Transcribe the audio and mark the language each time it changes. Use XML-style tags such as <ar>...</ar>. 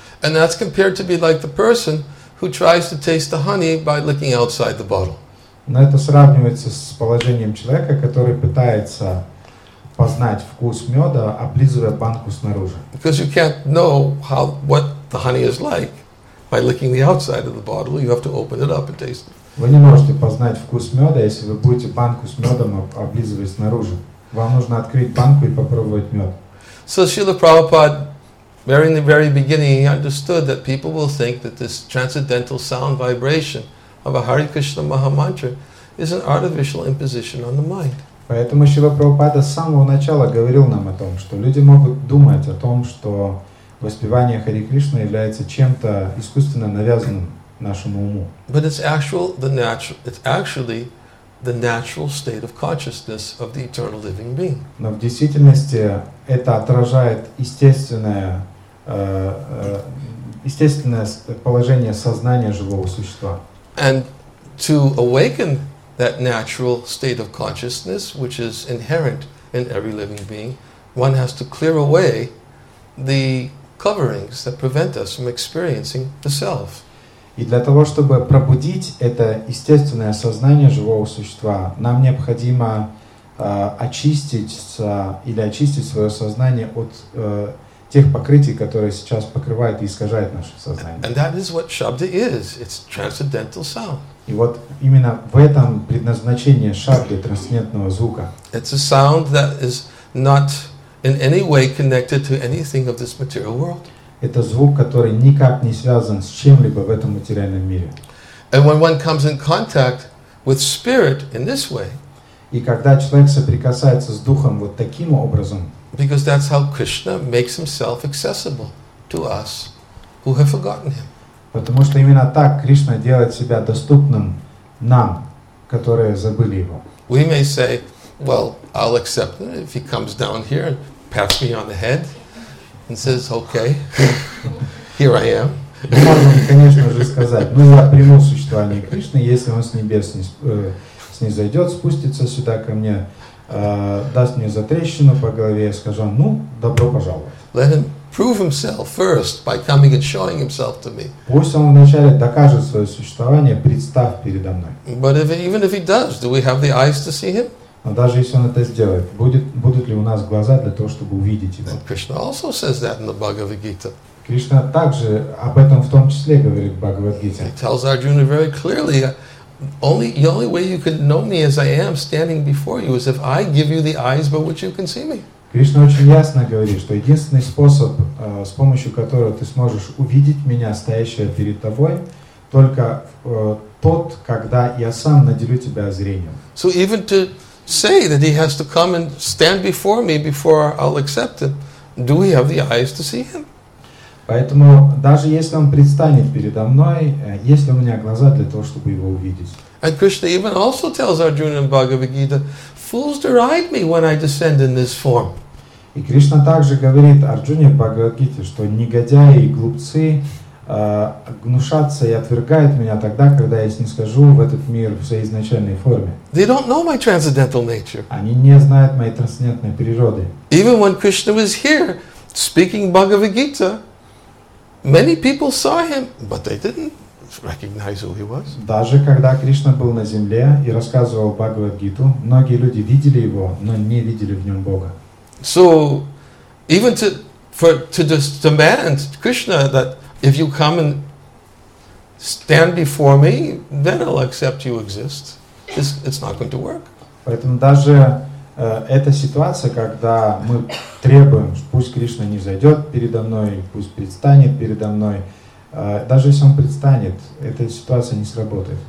<en>And that's compared to be like the person who tries to taste the honey by looking outside the bottle.</en> <ru>Но это сравнивается с положением человека, который пытается познать вкус меда, облизывая банку снаружи.</ru> <en>Because you can't know how what the honey is like by licking the outside of the bottle. You have to open it up and taste it.</en> <ru>Вы не можете познать вкус меда, если вы будете банку с медом облизывать снаружи. Вам нужно открыть банку и попробовать мед.</ru> <en>So Srila Prabhupada, very in the very beginning, he understood that people will think that this transcendental sound vibration of a Hare Krishna Maha Mantra is an artificial imposition on the mind.</en> <ru>Поэтому Шрила Прабхупада с самого начала говорил нам о том, что люди могут думать о том, что воспевание Харе Кришна является чем-то искусственно навязанным нашему уму.</ru> <en>But it's actually the natural state of consciousness of the eternal living being.</en> <ru>Но в действительности это отражает естественное положение сознания живого существа.</ru> <en>And to awaken that natural state of consciousness, which is inherent in every living being, one has to clear away the coverings that prevent us from experiencing the self.</en> <ru>И для того, чтобы пробудить это естественное сознание живого существа, нам необходимо очистить свое сознание от тех покрытий, которые сейчас покрывают и искажают наше сознание.</ru> <en>And that is what Shabda is. It's transcendental sound.</en> <ru>И вот именно в этом предназначение шабды, трансцендентного звука.</ru> <en>It's a sound that is not in any way connected to anything of this material world.</en> <ru>Это звук, который никак не связан с чем-либо в этом материальном мире.</ru> <en>And when one comes in contact with spirit in this way,</en> <ru>и когда человек соприкасается с духом вот таким образом,</ru> <en>because that's how Krishna makes himself accessible to us who have forgotten him.</en> <ru>Потому что именно так Кришна делает себя доступным нам, которые забыли его.</ru> <en>We may say, well, I'll accept it if he comes down here and pats me on the head and says, okay, here I am.</en> <ru>Можем, конечно же, сказать, ну я приму существование Кришны, если он с небес снизойдет, спустится сюда ко мне, даст мне затрещину по голове, я скажу, ну, добро пожаловать.</ru> <en>Let him prove himself first by coming and showing himself to me.</en> <ru>Пусть он вначале докажет свое существование, представ передо мной.</ru> <en>But if, even if he does, do we have the eyes to see him?</en> <ru>Но даже если он это сделает, будут ли у нас глаза для того, чтобы увидеть его?</ru> <en>And Krishna also says that in the Bhagavad Gita.</en> <ru>Кришна также об этом в том числе говорит в Бхагавад-гите.</ru> <en>He tells Arjuna very clearly, the only way you can know me as I am standing before you is if I give you the eyes by which you can see me.</en> <ru>Кришна очень ясно говорит, что единственный способ, с помощью которого ты сможешь увидеть меня, стоящего перед тобой, только тот, когда я сам наделю тебя зрением.</ru> <en>So even to say that he has to come and stand before me before I'll accept it, do we have the eyes to see him?</en> <ru>Поэтому, даже если он предстанет передо мной, есть ли у меня глаза для того, чтобы его увидеть?</ru> <en>And Krishna even also tells Arjuna in Bhagavad Gita, fools deride me when I descend in this form.</en> <ru>И Кришна также говорит Арджуне в Бхагавад Гите, что негодяи и глупцы гнушатся и отвергают меня тогда, когда я снисхожу в этот мир в своей изначальной форме.</ru> <en>They don't know my transcendental nature.</en> <ru>Они не знают моей трансцендентной природы.</ru> <en>Even when Krishna was here, speaking Bhagavad Gita, many people saw him, but they didn't recognize who he was.</en> <ru>Даже когда Кришна был на земле и рассказывал Бхагавад-гиту, многие люди видели его, но не видели в нем Бога.</ru> <en>So, even to demand Krishna that if you come and stand before me, then I'll accept you exist, it's not going to work.</en> <ru>Поэтому даже эта ситуация, когда мы требуем, пусть Кришна не зайдет передо мной, пусть предстанет передо мной, даже если он предстанет, эта ситуация не сработает.</ru>